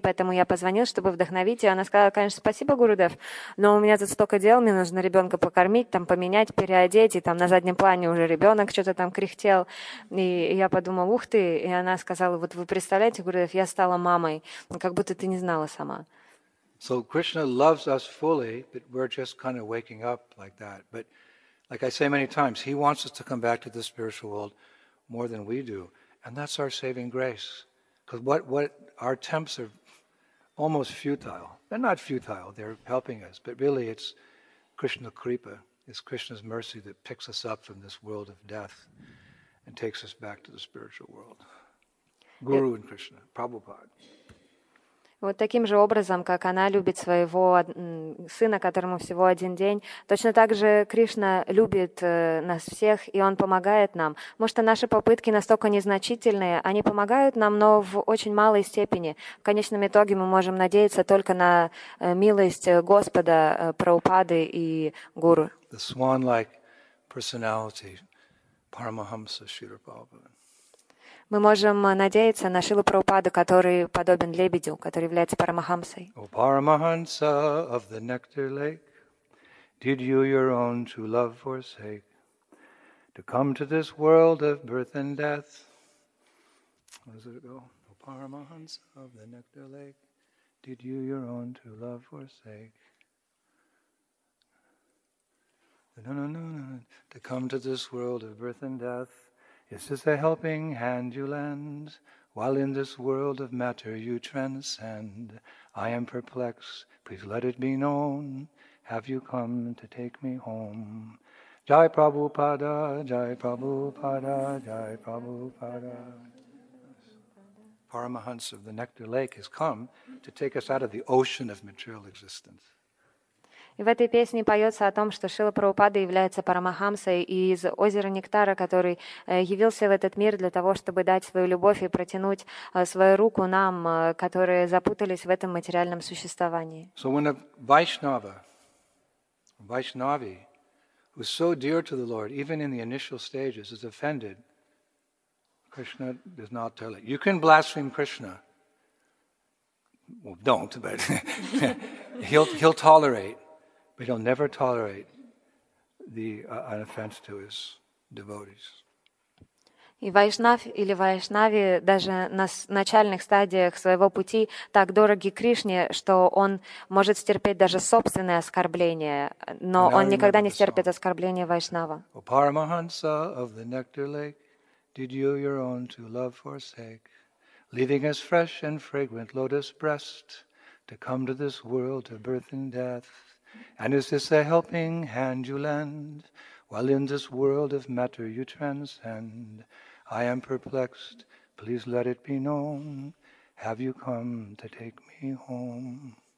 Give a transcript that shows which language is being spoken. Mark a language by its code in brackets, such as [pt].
[ru] Поэтому я позвонила, чтобы вдохновить ее. Она сказала, конечно, спасибо, Гурудев, но у меня тут столько дел, мне нужно ребенка покормить, там поменять, переодеть, и там на заднем плане уже ребенок что-то там кряхтел. И я подумала, ух ты, и она сказала, вот вы представляете, Гурудев, я стала мамой, как будто ты не знала сама. [en] So Krishna loves us fully, but we're just kind of waking up like that. But like I say many times, he wants us to come back to the spiritual world more than we do. And that's our saving grace. Because what our attempts are almost futile. They're not futile, they're helping us. But really it's Krishna Kripa. It's Krishna's mercy that picks us up from this world of death and takes us back to the spiritual world. Guru and Krishna, Prabhupada. [ru] Вот таким же образом, как она любит своего сына, которому всего один день, точно так же Кришна любит нас всех, и Он помогает нам. Потому что наши попытки настолько незначительные, они помогают нам, но в очень малой степени. В конечном итоге мы можем надеяться только на милость Господа, Прабхупады и Гуру. [en] The swan-like personality, Paramahamsa Srila Prabhupada. [ru] Мы можем надеяться на Шрилу Прабхупаду, который подобен лебедю, который является Парамахамсой. [en] O Paramahansa of the nectar lake, did you your own true love forsake to come to this world of birth and death? How does it go? O Paramahansa of the nectar lake, did you your own true love forsake to come to this world of birth and death? Is this a helping hand you lend, while in this world of matter you transcend? I am perplexed, please let it be known, have you come to take me home? Jai Prabhupada, Jai Prabhupada, Jai Prabhupada. Paramahansa of the Nectar Lake has come to take us out of the ocean of material existence. [ru] И в этой песне поется о том, что Шрила Прабхупада является Парамахамсой из озера Нектара, который явился в этот мир для того, чтобы дать свою любовь и протянуть свою руку нам, которые запутались в этом материальном существовании. [en] So when a Vaishnava, Vaishnavi, who's so dear to the Lord, even in the initial stages, is offended, Krishna does not tell it. You can blaspheme Krishna. Well, don't, but he'll tolerate, but he'll never tolerate the an offense to his devotees. [ru] И вайшнав или вайшнави даже на начальных стадиях своего пути так дороги Кришне, что он может стерпеть даже собственное оскорбление, но он никогда не стерпит оскорбление вайшнава. [en] O Paramahansa of the Nectar Lake, did you your own true love forsake, leaving his fresh and fragrant lotus breast to come to this world of birth and death? And is this a helping hand you lend? While in this world of matter you transcend, I am perplexed, please let it be known, have you come to take me home?